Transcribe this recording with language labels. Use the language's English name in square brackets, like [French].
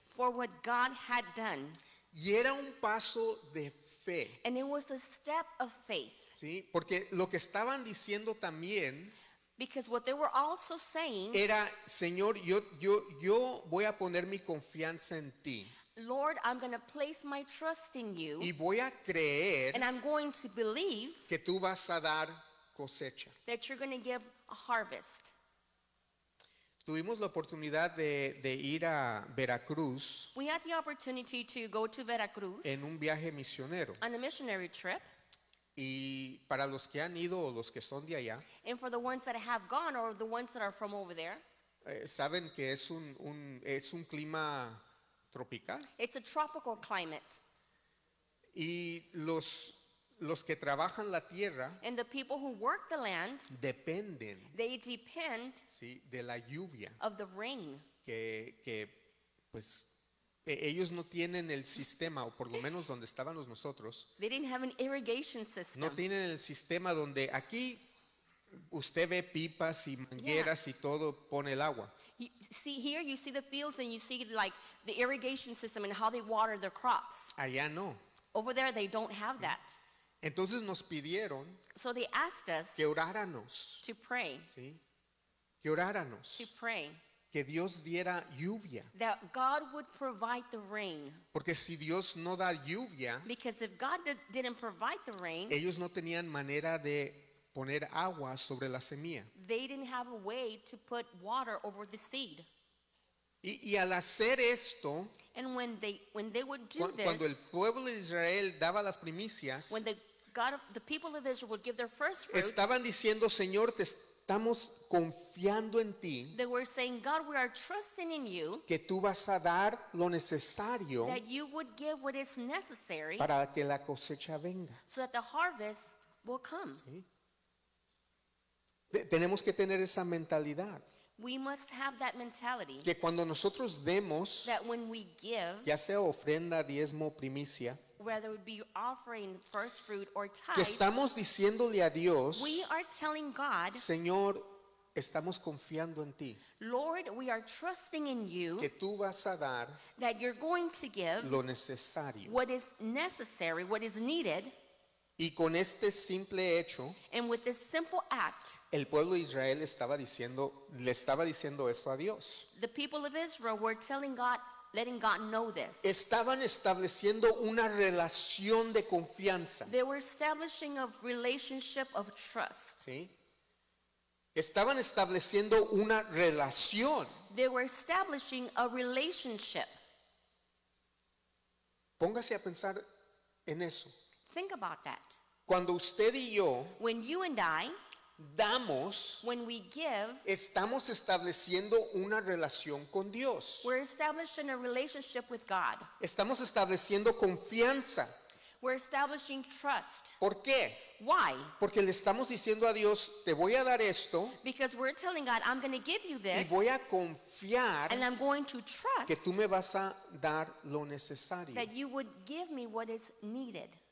[English] For what God had done. [Spanish] Y era un paso de fe. [English] And it was a step of faith. [Spanish] ¿Sí? Porque lo que estaban diciendo también, [English] because what they were also saying, [Spanish] era, Señor, yo voy a poner mi confianza en ti. [English] Lord, I'm going to place my trust in you. [Spanish] Y voy a creer, [English] and I'm going to believe, [Spanish] que tú vas a dar cosecha. [English] That you're going to give a harvest. [Spanish] Tuvimos la oportunidad de ir a Veracruz. [English] We had the opportunity to go to Veracruz. [Spanish] En un viaje misionero. [English] On a missionary trip. [Spanish] Y para los que han ido o los que son de allá, [English] and for the ones that have gone or the ones that are from over there, [Spanish] saben que es un clima tropical. [English] It's a tropical climate. [Spanish] Y los que trabajan la tierra, [English] and the people who work the land, [Spanish] dependen, [English] they depend, [Spanish] sí, de la lluvia, [English] of the rain, [Spanish] que pues ellos no tienen el sistema, o por lo menos donde estábamos nosotros. [English] They didn't have an irrigation system. [Spanish] No tienen el sistema donde aquí usted ve pipas y mangueras y todo, pone el agua. [English] You see here, you see the fields and you see like the irrigation system and how they water their crops. [Spanish] Allá no. [English] Over there, they don't have that. [Spanish] Entonces nos pidieron, [English] so they asked us, [Spanish] que oráramos. [English] To pray. [Spanish] ¿Sí? Que oráramos. [English] To pray. [Spanish] Que Dios diera lluvia. [English] That God would provide the rain. [Spanish] Porque si Dios no da lluvia, [English] because if God didn't provide the rain, [Spanish] ellos no tenían manera de poner agua sobre la semilla. [English] They didn't have a way to put water over the seed. [Spanish] Y al hacer esto, [English] and when they would do this, [Spanish] cuando el pueblo de Israel daba las primicias, [English] when the people of Israel would give their first fruits, [Spanish] estaban diciendo, Señor, te estamos confiando en ti. [English] They were saying, God, we are trusting in you. [Spanish] Que tú vas a dar lo necesario. [English] That you would give what is necessary. [Spanish] Para que la cosecha venga. [English] So that the harvest will come. [Spanish] ¿Sí? Tenemos que tener esa mentalidad. [English] We must have that mentality. [Spanish] Que cuando nosotros demos, [English] that when we give, [Spanish] ya sea ofrenda, diezmo, primicia, [English] whether it be offering first fruit or tithe, [Spanish] que estamos diciéndole a Dios, [English] we are telling God, [Spanish] Señor, estamos confiando en ti. [English] Lord, we are trusting in you, [Spanish] que tú vas a dar, [English] that you're going to give, [Spanish] lo necesario, [English] what is necessary, what is needed. [Spanish] Y con este simple hecho, [English] and with this simple act, [Spanish] el pueblo de Israel estaba diciendo, le estaba diciendo eso a Dios. [English] The people of Israel were telling God, letting God know this. [Spanish] Estaban estableciendo una relación de confianza. [English] They were establishing a relationship of trust. [Spanish] ¿Sí? Estaban estableciendo una relación. [English] They were establishing a relationship. [Spanish] Póngase a pensar en eso. [English] Think about that. [Spanish] Cuando usted y yo, [English] when you and I, [Spanish] damos, [English] when we give, [Spanish] estamos estableciendo una relación con Dios. [English] We're establishing a relationship with God. [Spanish] Estamos estableciendo confianza. [English] We're establishing trust. [Spanish] ¿Por qué? [English] Why? [Spanish] Porque le estamos diciendo a Dios, te voy a dar esto. [English] Because we're telling God, I'm going to give you this. [Spanish] Y voy a confiar, [English] and I'm going to trust, [Spanish] que tú me vas a dar lo necesario. [English] That you would give me what is needed.